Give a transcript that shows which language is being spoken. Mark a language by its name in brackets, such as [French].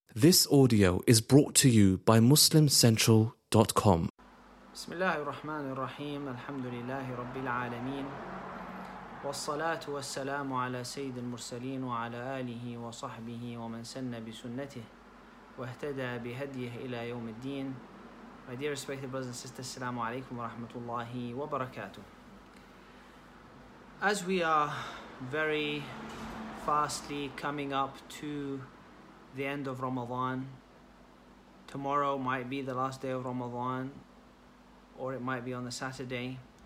[English] This audio is brought to you by MuslimCentral.com. [Arabic] بسم الله الرحمن الرحيم الحمد لله رب العالمين والصلاة والسلام على سيد المرسلين وعلى آله وصحبه ومن سن بسنته واهتدى بهديه إلى يوم الدين. [English] My dear respected brothers and sisters, [Arabic] السلام عليكم ورحمة الله وبركاته. [English] As we are very fastly coming up to the end of Ramadan. Tomorrow might be the last day of Ramadan, or it might be on the Saturday.